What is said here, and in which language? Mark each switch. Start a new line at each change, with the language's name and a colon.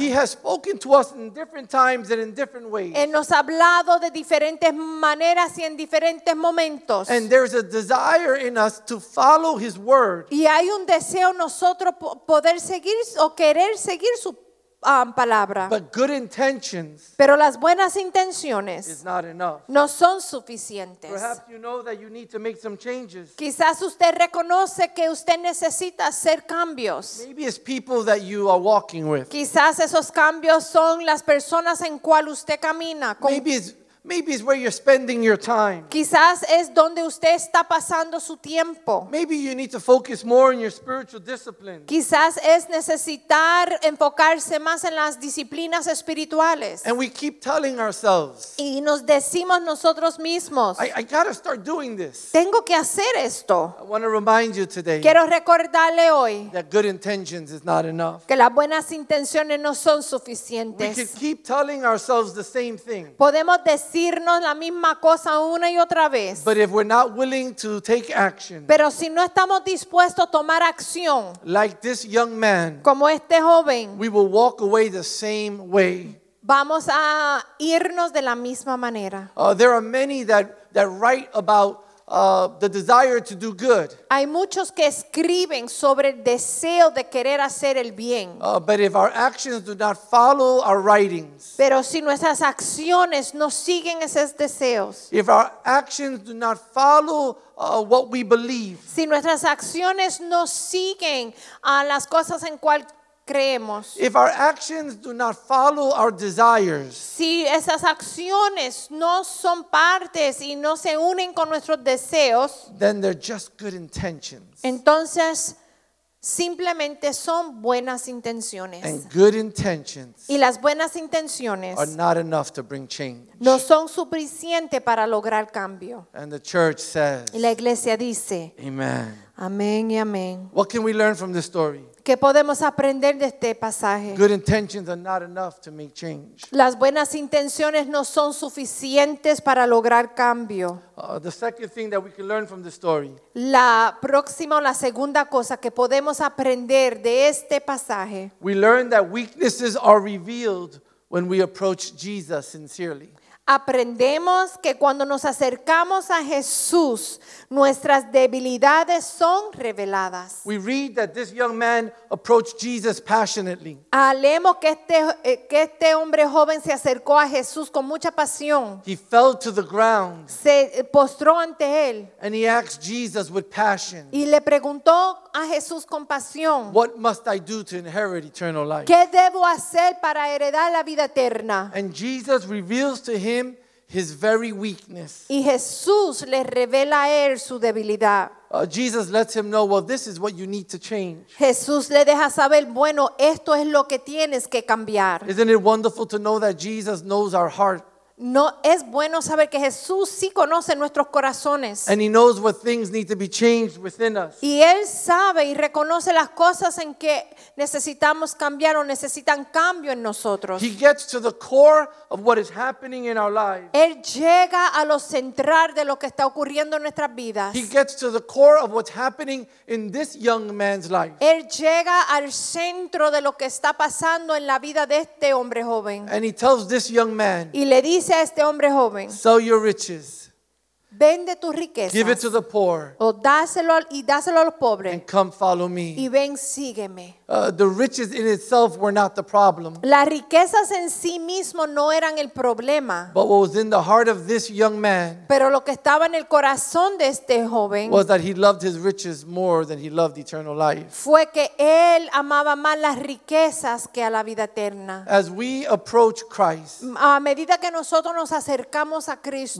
English: He has spoken to us in different times and in different ways.
Spanish: Él nos ha hablado de diferentes maneras y en diferentes momentos.
English: And there's a desire in us to follow his word.
Spanish: Y hay un deseo nosotros poder seguir o querer seguir su palabra.
English: But good intentions.
Spanish: Pero las buenas intenciones
English: is not enough.
Spanish: No son suficientes.
English: Perhaps you know that you need to make some changes.
Spanish: Quizás usted reconoce que usted necesita hacer cambios.
English: Maybe it's people that you are walking with.
Spanish: Quizás esos cambios son las personas en cual usted camina.
English: Maybe it's where you're spending your time.
Spanish: Quizás es donde usted está pasando su tiempo.
English: Maybe you need to focus more on your spiritual discipline.
Spanish: Quizás es necesitar enfocarse más en las disciplinas espirituales.
English: And we keep telling ourselves.
Spanish: Y nos decimos nosotros mismos.
English: I gotta start doing this.
Spanish: Tengo que hacer esto.
English: I want to remind you today.
Spanish: Quiero recordarle hoy.
English: That good intentions is not enough.
Spanish: Que las buenas intenciones no son suficientes.
English: We can keep telling ourselves the same thing.
Spanish: Podemos decirnos la misma cosa una y otra vez.
English: But if we're not willing to take action,
Spanish: pero si no estamos dispuestos a tomar acción,
English: like this young man,
Spanish: como este joven,
English: we will walk away the same way.
Spanish: Vamos a irnos de la misma manera.
English: There are many that write about the desire to do good.
Spanish: Hay muchos que escriben sobre el deseo de querer hacer el bien.
English: But if our actions do not follow our writings.
Spanish: Pero si nuestras acciones no siguen esos deseos.
English: If our actions do not follow what we believe.
Spanish: Si nuestras acciones no siguen a las cosas en cual creemos.
English: If our actions do not follow our desires.
Spanish: Si esas acciones no son partes y no se unen con nuestros deseos.
English: Then they're just good intentions.
Spanish: Entonces simplemente son buenas intenciones.
English: And good intentions.
Spanish: Y las buenas intenciones
English: are not enough to bring change.
Spanish: No son suficiente para lograr cambio.
English: And the church says.
Spanish: Y la iglesia dice.
English: Amen.
Spanish: Amén y amén.
English: What can we learn from this story?
Spanish: ¿Qué podemos aprender de este pasaje?
English: Good intentions are not enough to make change.
Spanish: Las buenas intenciones no son suficientes para lograr cambio.
English: The second thing that we can learn from the story.
Spanish: La próxima o la segunda cosa que podemos aprender de este pasaje.
English: We learn that weaknesses are revealed when we approach Jesus sincerely.
Spanish: Aprendemos que cuando nos acercamos a Jesús, nuestras debilidades son reveladas.
English: We read that this young man approached Jesus passionately.
Spanish: Leemos que este hombre joven se acercó a Jesús con mucha pasión.
English: He fell to the ground.
Spanish: Se postró ante él.
English: And he asked Jesus with passion.
Spanish: Y le preguntó a Jesús con pasión.
English: What must I do to inherit eternal life?
Spanish: ¿Qué debo hacer para heredar la vida eterna?
English: And Jesus reveals to him his very weakness.
Spanish: Y Jesús le revela a él su debilidad.
English: Jesus lets him know, well, this is what you need to change.
Spanish: Jesús le deja saber, bueno, esto es lo que tienes que cambiar.
English: Isn't it wonderful to know that Jesus knows our heart?
Spanish: No, es bueno saber que Jesús sí conoce nuestros corazones.
English: And he knows what things need to be changed within us.
Spanish: Y él sabe y reconoce las cosas en que necesitamos cambiar o necesitan cambio en nosotros.
English: He gets to the core of what is happening in our lives.
Spanish: Él llega a lo central de lo que está ocurriendo en nuestras vidas.
English: He gets to the core of what's happening in this young man's life.
Spanish: Él llega al centro de lo que está pasando en la vida de este hombre joven.
English: And he tells this young man.
Spanish: Y le dice a este hombre joven.
English: Sell your riches.
Spanish: Vende tus riquezas.
English: Give it to the poor.
Spanish: O dáselo a los pobres.
English: And come follow me.
Spanish: Y ven, sígueme.
English: The riches in itself were not the problem.
Spanish: Las riquezas en sí mismo no eran el problema.
English: But what was in the heart of this young man.
Spanish: Pero lo que estaba en el corazón de este joven.
English: Was that he loved his riches more than he loved eternal life.
Spanish: Fue que él amaba más las riquezas que a la vida eterna.
English: As we approach Christ.
Spanish: A medida que nosotros nos acercamos a Cristo.